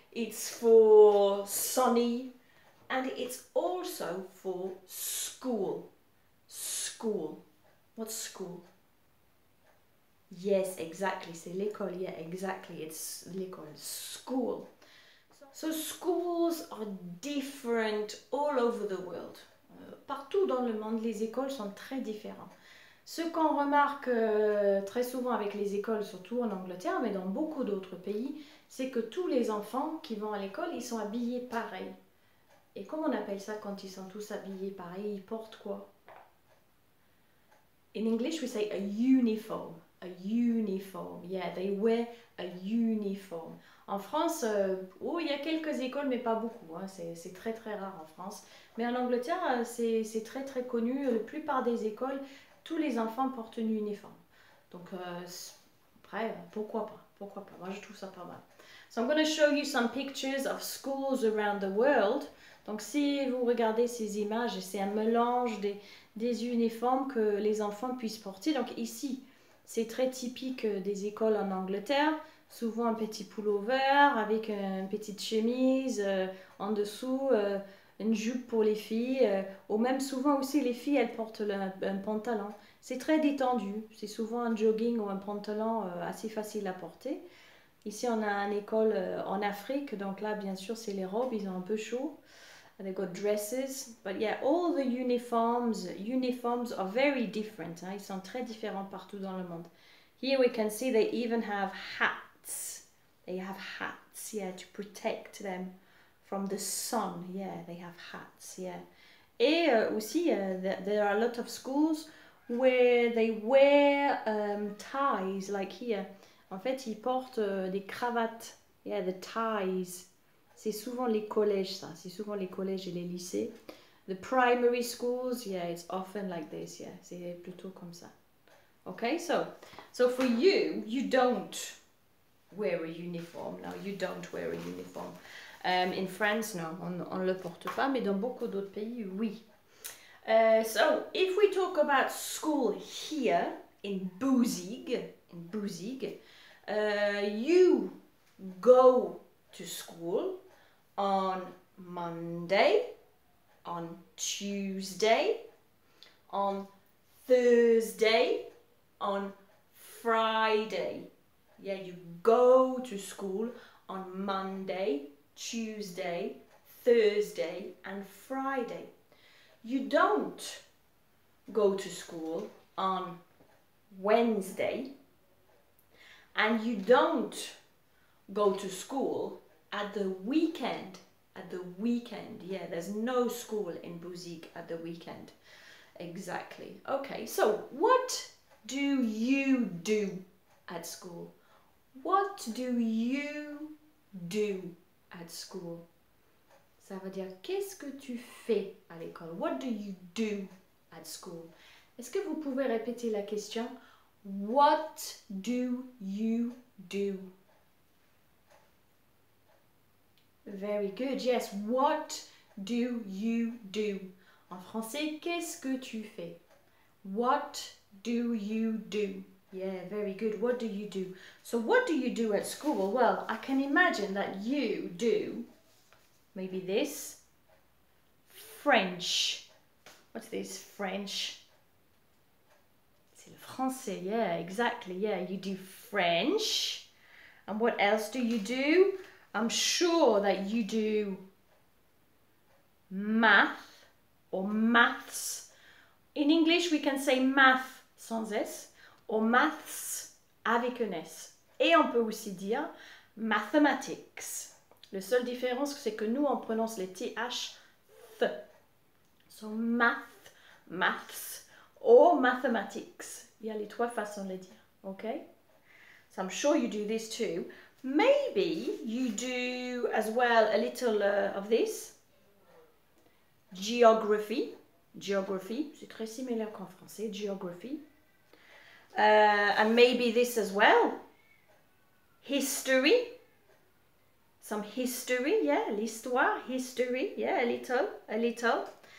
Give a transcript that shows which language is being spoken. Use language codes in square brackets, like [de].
[en] It's for sunny. And it's also for school. School. What's school? Yes, exactly. [fr] C'est l'école, [en] yeah, exactly. It's l'école. School. So schools are different all over the world. [fr] Partout dans le monde, les écoles sont très différentes. Ce qu'on remarque très souvent avec les écoles, surtout en Angleterre, mais dans beaucoup d'autres pays, c'est que tous les enfants qui vont à l'école, ils sont habillés pareil. Et comment on appelle ça quand ils sont tous habillés pareil? Ils portent quoi? [en] In English, we say a uniform. A uniform. Yeah, they wear a uniform. [fr] En France, il y a quelques écoles, mais pas beaucoup. Hein. C'est très, très rare en France. Mais en Angleterre, c'est très, très connu. La plupart des écoles, tous les enfants portent une uniforme. Donc, après, pourquoi pas? Pourquoi pas? Moi, je trouve ça pas mal. [en] So, I'm going to show you some pictures of schools around the world. [fr] Donc, si vous regardez ces images, c'est un mélange des uniformes que les enfants puissent porter. Donc, ici, c'est très typique des écoles en Angleterre. Souvent un petit pullover avec une petite chemise en dessous, une jupe pour les filles. Ou même souvent aussi les filles, elles portent un pantalon. C'est très détendu. C'est souvent un jogging ou un pantalon assez facile à porter. Ici, on a une école en Afrique. Donc là, bien sûr, c'est les robes. Ils ont un peu chaud. [en] They've got dresses. But yeah, all the uniforms are very different. Hein. [fr] Ils sont très différents partout dans le monde. [en] Here we can see they even have hats. They have hats, yeah, to protect them from the sun. Yeah, they have hats, yeah. [fr] Et aussi, [en] there are a lot of schools where they wear ties, like here. [fr] En fait, ils portent des cravates. [en] Yeah, the ties. [fr] C'est souvent les collèges, ça. C'est souvent les collèges et les lycées. [en] The primary schools, yeah, it's often like this, yeah. [fr] C'est plutôt comme ça. [en] Okay, so for you, you don't wear a uniform. No, you don't wear a uniform. In France, no, [fr] on ne le porte pas, mais dans beaucoup d'autres pays, oui. [en] So, if we talk about school here in Bouzigues, you go to school on Monday, on Tuesday, on Thursday, on Friday. Yeah, you go to school on Monday, Tuesday, Thursday, and Friday. You don't go to school on Wednesday, and you don't go to school at the weekend. At the weekend, yeah, there's no school in Bouzigues at the weekend. Exactly. Okay, so what do you do at school? What do you do at school? [fr] Ça veut dire qu'est-ce que tu fais à l'école? [en] What do you do at school? [fr] Est-ce que vous pouvez répéter la question? [en] What do you do? Very good. Yes, what do you do? [fr] En français, qu'est-ce que tu fais? [en] What do you do? Yeah, very good. What do you do? So what do you do at school? Well, I can imagine that you do maybe this French. What's this French? [fr] C'est le français. [en] Yeah, exactly. Yeah, you do French. And what else do you do? I'm sure that you do math or maths. In English, we can say math [fr] sans s [en] or maths [fr] avec un s. Et on peut aussi dire mathematics. La seule différence, c'est que nous, on prononce les th, th. [en] So math, maths or mathematics. [fr] Il y a les trois façons de le dire. [en] OK? So I'm sure you do this too. Maybe you do as well a little of this. Geography. Geography. [fr] C'est très similaire qu'en français. [en] Geography. And maybe this as well. History. Some history. Yeah. L'histoire. History. Yeah. A little. A little.